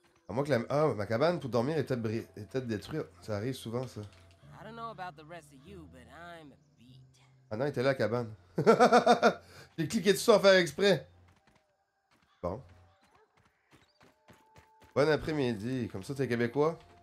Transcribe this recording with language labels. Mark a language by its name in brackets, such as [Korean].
[French] Moi que la... Ah, ma cabane pour dormir est peut-être détruite. Ça arrive souvent, ça. [English] I don't know about the rest of you, but I'm beat. [French] Ah non, il était là, la cabane. J'ai cliqué dessus sans faire exprès. Bon. Bon après-midi. Comme ça, t'es québécois?